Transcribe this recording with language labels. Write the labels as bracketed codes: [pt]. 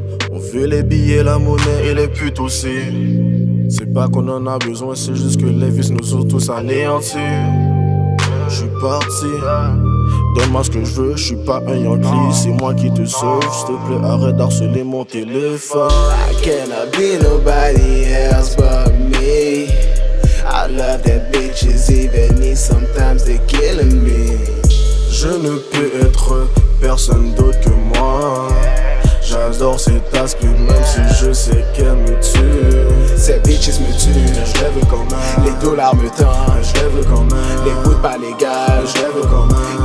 [fr] On veut les billets, la monnaie et les putes aussi. C'est pas qu'on en a besoin, c'est juste que les vices nous ont tous anéantis. Je suis parti. Donne-moi ce que je veux, je suis pas un Yankee. C'est moi qui te sauve, s'il te plaît, arrête d'harceler mon téléphone. [en] I cannot be nobody else but me. I love them bitches, even if sometimes they're killing me. [fr] Je ne peux être personne d'autre que moi. J'adore ces tasques, même si je sais qu'elles me tuent. Ces bitches me tuent, je les veux quand même. Les dollars me tendent, je les veux quand même. Les routes pas légales, je les veux quand même.